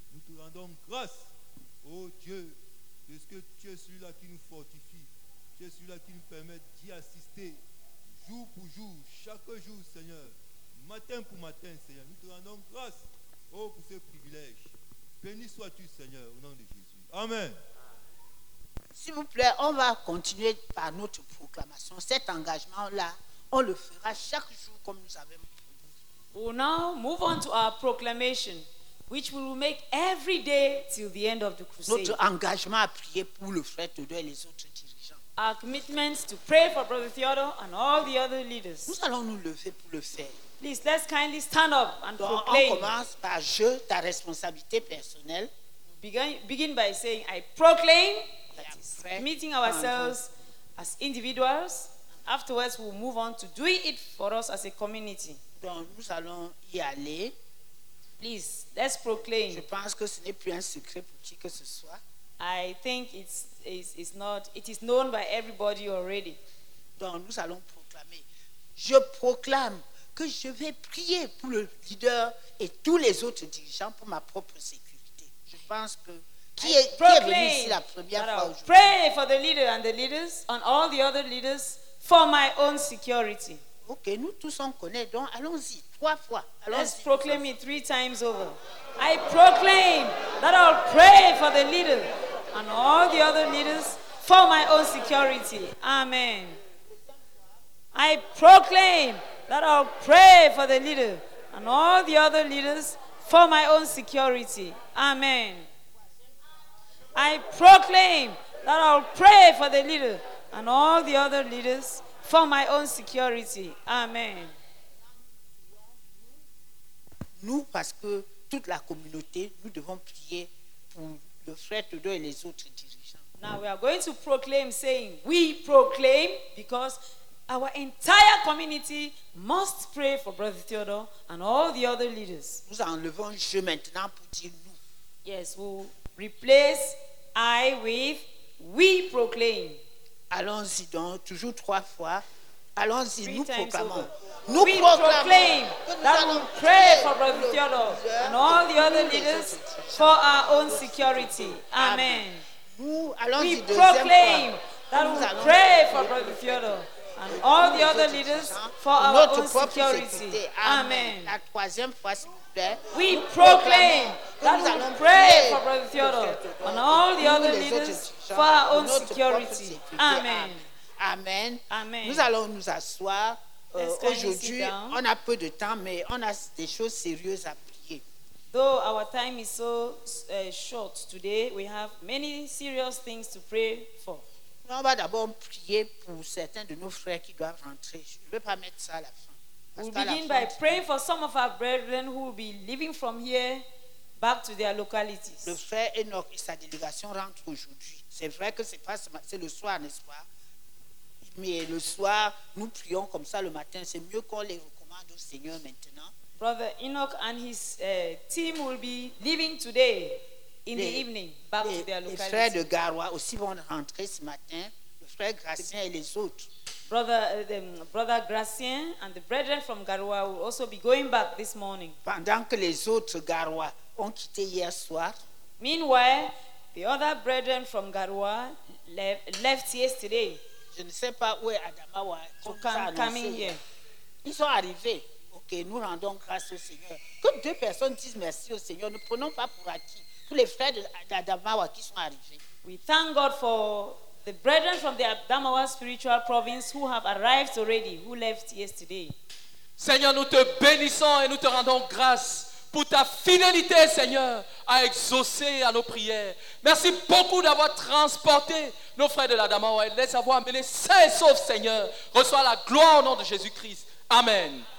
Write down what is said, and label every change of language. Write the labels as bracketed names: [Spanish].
[French] Nous te rendons grâce, ô Dieu, parce que tu es celui-là qui nous fortifie, tu es celui-là qui nous permet d'y assister jour pour jour, chaque jour, Seigneur, matin pour matin, Seigneur. Nous te rendons grâce, oh, pour ce privilège. Béni sois-tu, Seigneur, au nom de Jésus. Amen. S'il vous plaît, on va continuer par notre proclamation. Cet engagement-là, on le fera chaque jour comme nous avons promis. [English] We'll now move on to our proclamation, which we will make every day till the end of the crusade. [French] Notre engagement à prier pour le frère Théodore et les autres dirigeants. [English] Our commitment to pray for Brother Theodore and all the other leaders. [French] Nous allons nous lever pour le faire. [English] Please, let's kindly stand up and [French] donc, [English] proclaim. [French] On commence par je, ta responsabilité personnelle. [English] Begin by saying, I proclaim, that is, committing ourselves as individuals. Afterwards, we'll move on to doing it for us as a community. [French] Donc, nous allons y aller. [English] Please, let's proclaim. [French] Je pense que ce n'est plus un secret pour qui que ce soit. [English] I think it's not. It is known by everybody already. [French] Donc nous allons proclamer. Je proclame que je vais prier pour le leader et tous les autres dirigeants pour ma propre sécurité. Je pense que qui est venu ici la première fois aujourd'hui. [English] Pray for the leader and the leaders and all the other leaders for my own security. [French] Ok, nous tous on connaît, donc allons-y. Trois fois. [English] Let's proclaim it three times over. I proclaim that I'll pray for the leader and all the other leaders for my own security. Amen. I proclaim that I'll pray for the leader and all the other leaders for my own security. Amen. I proclaim that I'll pray for the leader and all the other leaders for my own security. Amen. [French] Nous, parce que toute la communauté, nous devons prier pour le frère Todo et les autres dirigeants. [English] Now we are going to proclaim saying, we proclaim because our entire community must pray for Brother Theodore and all the other leaders. [French] Nous enlevons je maintenant pour dire nous. [English] Yes, we'll replace I with we proclaim. [French] Allons-y donc, toujours trois fois. Allons-y, [English] three [French] nous proclamons. [English] Over. [French] Nous [English] we [French] proclamons [English] proclaim that we pray for Brother Theodore and all the other leaders for our own security. Amen. [French] Nous [English] we proclaim [French] fois, [English] that we pray for Brother Theodore and all the other leaders for our own security. Amen. [French] La troisième fois, s'il vous plaît. [English] We proclaim that we pray for Brother Theodore and all the other leaders for our own security. Amen. Amen. Amen. [French] Nous allons nous asseoir. aujourd'hui, on a peu de temps, mais on a des choses sérieuses à prier. [English] Though our time is so short today, we have many serious things to pray for. [French] On va d'abord prier pour certains de nos frères qui doivent rentrer. Je ne veux pas mettre ça à la fin. [English] We'll begin by praying for some of our brethren who will be leaving from here back to their localities. [French] Le frère Enoch et sa délégation rentrent aujourd'hui. C'est vrai que c'est le soir, n'est-ce pas? Mais le soir, nous prions comme ça le matin. C'est mieux qu'on les recommande au Seigneur maintenant. [English] Brother Enoch and his team will be leaving today in the evening back to their localities. [French] Les frères de Garoua aussi vont rentrer ce matin. Le frère Gracien et les autres. [English] Brother Gracien and the brethren from Garoua will also be going back this morning. [French] Pendant que les autres Garoua ont quitté hier soir. [English] Meanwhile, the other brethren from Garoua left yesterday. [French] Je ne sais pas où est Adamawa. [English] Coming here. [French] Ils sont arrivés. Ok, nous rendons grâce au Seigneur. Que deux personnes disent merci au Seigneur. Ne prenons pas pour acquis tous les frères d'Adamawa qui sont arrivés. [English] We thank God for the brethren from the Adamawa spiritual province who have arrived already, who left yesterday. [French] Seigneur, nous te bénissons et nous te rendons grâce pour ta fidélité, Seigneur, à exaucer à nos prières. Merci beaucoup d'avoir transporté nos frères de la Damawa et de les avoir amenés sains et saufs, Seigneur. Reçois la gloire au nom de Jésus-Christ. Amen.